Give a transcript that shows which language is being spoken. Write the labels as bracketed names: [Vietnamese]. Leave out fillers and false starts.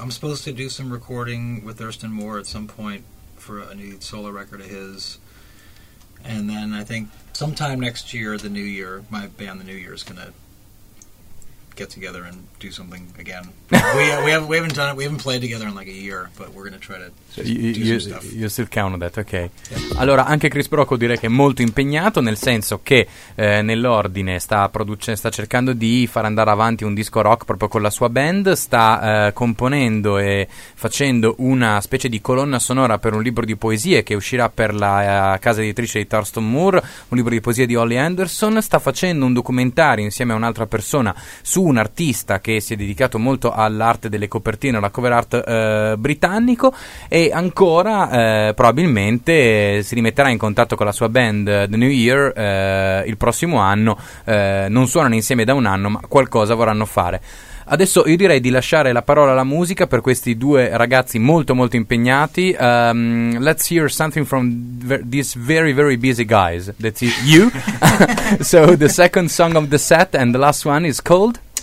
[English] I'm supposed to do some recording with Thurston Moore at some point for a new solo record of his, and then I think sometime next year, the new year, my band The New Year is going to get together and do something again. we haven't done it. We haven't played together in like a year, but we're going to try to do some stuff. You still count on that, okay. Yeah. [Italian] Allora, anche Chris Brocco direi che è molto impegnato, nel senso che nell'ordine sta cercando di far andare avanti un disco rock proprio con la sua band, sta componendo e facendo una specie di colonna sonora per un libro di poesie che uscirà per la casa editrice di Thurston Moore, un libro di poesie di Holly Anderson, sta facendo un documentario insieme a un'altra persona su un artista che si è dedicato molto all'arte delle copertine, alla cover art britannico, e ancora probabilmente si rimetterà in contatto con la sua band The New Year il prossimo anno. Non suonano insieme da un anno, ma qualcosa vorranno fare. Adesso io direi di lasciare la parola alla musica per questi due ragazzi molto molto impegnati. [English] Let's hear something from these very very busy guys. That's you. So the second song of the set and the last one is called?